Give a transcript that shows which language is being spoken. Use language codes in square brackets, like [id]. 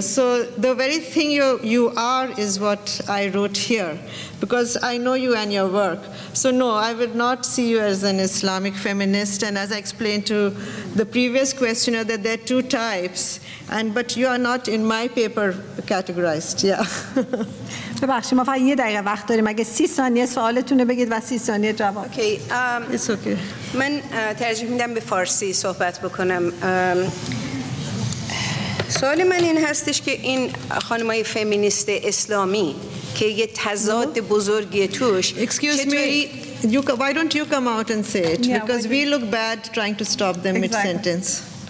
[en] So the very thing you are is what I wrote here, because I know you and your work. So no, I would not see you as an Islamic feminist. And as I explained to the previous questioner, that there are two types. But you are not in my paper categorized. [fa] ببخشید ما فقط یه دقیقه وقت داریم، اگه 30 ثانیه سوالتون رو بگید و 30 ثانیه جواب. اوکی. من ترجیح میدم به فارسی صحبت بکنم. سوال من این هستش که این خانمای فمینیست اسلامی که یه تضاد بزرگی توش، [en] why don't you come out and say it, because we look bad trying to stop them mid sentence.